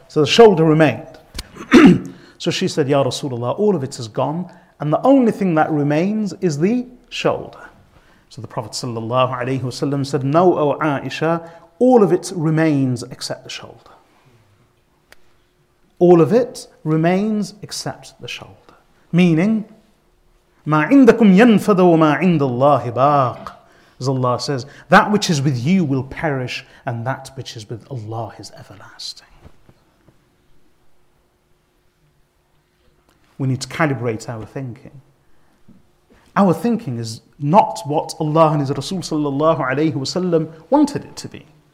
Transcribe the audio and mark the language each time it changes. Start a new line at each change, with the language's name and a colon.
English: So the shoulder remained. So she said, Ya Rasulullah, all of it has gone and the only thing that remains is the shoulder. So the Prophet sallallahu alaihi wasallam said, No, O Aisha, all of it remains except the shoulder. All of it remains except the shoulder.
Arabic: Meaning, ما عندكم ينفذ وما عند الله باق.
English: As Allah says, that which is with you will perish and that which is with Allah is everlasting. We need to calibrate our thinking. Our thinking is not what Allah and His Rasul sallallahu alayhi wasallam wanted it to be.